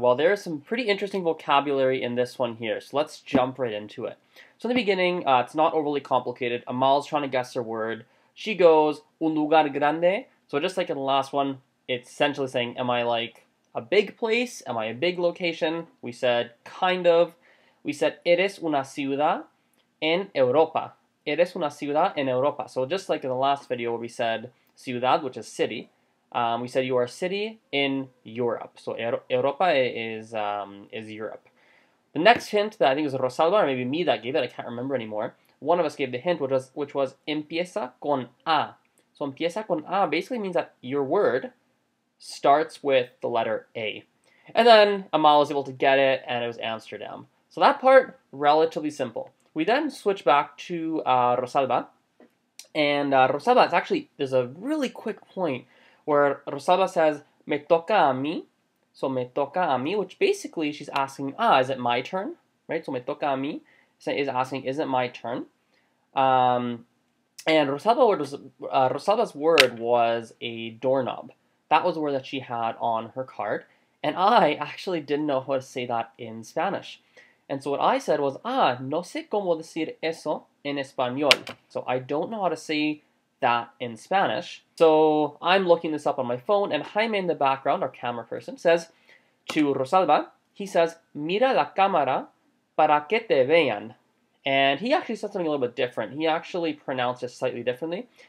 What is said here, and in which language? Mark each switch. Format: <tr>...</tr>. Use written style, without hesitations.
<en>Well, there's some pretty interesting vocabulary in this one here, so let's jump right into it. So in the beginning, it's not overly complicated. Amal's trying to guess her word. She goes,</en> <es>un lugar grande.</es> <en>So just like in the last one, it's essentially saying, am I like a big place? Am I a big location? We said, kind of. We said,</en> <es>eres una ciudad en Europa. Eres una ciudad en Europa.</es> <en>So just like in the last video where we said ciudad, which is city, we said you are a city in Europe. So Europa is Europe. The next hint that I think was Rosalba or maybe me that gave it, I can't remember anymore. One of us gave the hint, which was</en> <es>empieza con A.</es> <en>So</en> <es>empieza con A</es> <en>basically means that your word starts with the letter A. And then Amal was able to get it, and it was Amsterdam. So that part, relatively simple. We then switch back to Rosalba. And Rosalba, it's actually, there's a really quick point where Rosalba says,</en> <es>me toca a mí.</es> <en>So</en> <es>me toca a mí,</es> <en>which basically she's asking, is it my turn? Right? So</en> <es>me toca a mí</es> <en>is asking, is it my turn? And Rosalba's word was a doorknob. That was the word that she had on her card. And I actually didn't know how to say that in Spanish. And so what I said was,</en> <es>no sé cómo decir eso en español.</es> <en>So I don't know how to say that in Spanish. So I'm looking this up on my phone, and Jaime in the background, our camera person, says to Rosalba, he says,</en> <es>mira la cámara para que te vean.</es> <en>And he actually said something a little bit different. He actually pronounced it slightly differently.</en>